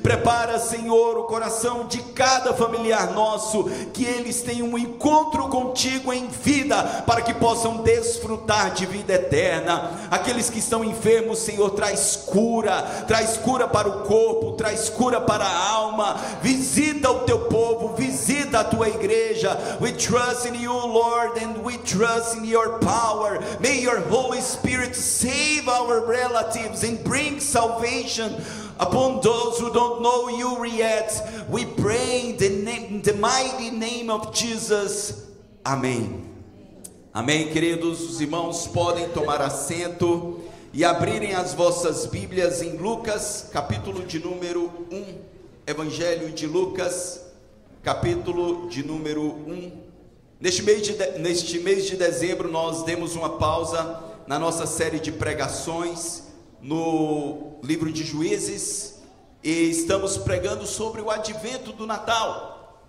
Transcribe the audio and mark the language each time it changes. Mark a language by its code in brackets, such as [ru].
[pt] Prepara, Senhor, o coração de cada familiar nosso, que eles tenham um encontro contigo em vida, para que possam desfrutar de vida eterna. Aqueles que estão enfermos, Senhor, traz cura para o corpo, traz cura para a alma. Visita o teu povo, visita a tua igreja. [en] We trust in you, Lord, and we trust in your power. May your Holy Spirit save our relatives and bring salvation upon those who don't know you yet. We pray in the mighty name of Jesus. [pt] Amém. Amém, queridos. Os irmãos podem tomar assento e abrirem as vossas Bíblias em Lucas, capítulo de número 1. Evangelho de Lucas, capítulo de número 1. Neste mês de dezembro, nós demos uma pausa na nossa série de pregações no livro de Juízes, e estamos pregando sobre o advento do Natal.